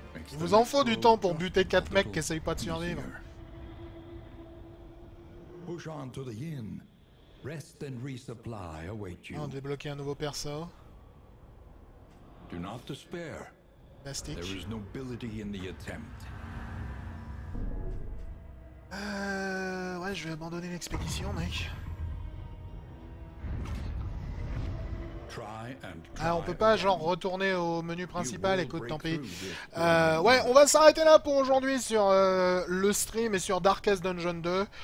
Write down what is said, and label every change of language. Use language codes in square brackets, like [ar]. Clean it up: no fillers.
[fr] Il vous en faut du temps pour buter 4 mecs qui essayent pas de survivre. [en] Push on to the inn. Rest and resupply await you. [fr] On débloque un nouveau perso. [en] Do not despair. Mastic. There is nobility in the attempt. [fr] Ouais, je vais abandonner l'expédition, mec. Ah, on peut pas genre retourner au menu principal et côte tempé. Ouais, on va s'arrêter là pour aujourd'hui sur le stream et sur Darkest Dungeon 2.